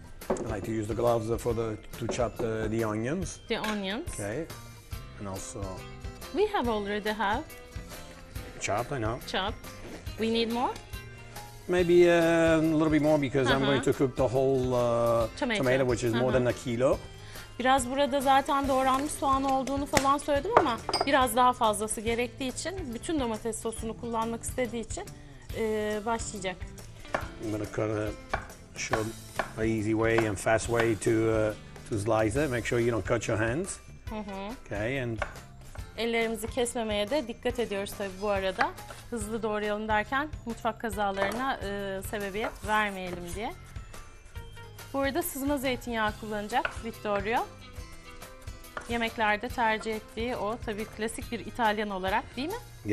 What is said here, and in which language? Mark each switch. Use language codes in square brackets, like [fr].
[en] I like to use the gloves for the to chop the onions. The onions. Okay. And also. We have already have. Chopped, I know. Chopped. We need more. Maybe a little bit more because I'm going to cook the whole tomato, which is more than a kilo. [tr] Biraz burada zaten doğranmış soğan olduğunu falan söyledim ama biraz daha fazlası gerektiği için bütün domates sosunu kullanmak istediği için başlayacak. [en] I'm gonna cut a short, easy way and fast way to slice it. Make sure you don't cut your hands. Okay, and [tr] ellerimizi kesmemeye de dikkat ediyoruz tabii bu arada. Hızlı doğrayalım derken mutfak kazalarına sebebiyet vermeyelim diye. Bu arada sızma zeytinyağı kullanacak Vittorio. Yemeklerde tercih ettiği o tabii klasik bir İtalyan olarak değil mi?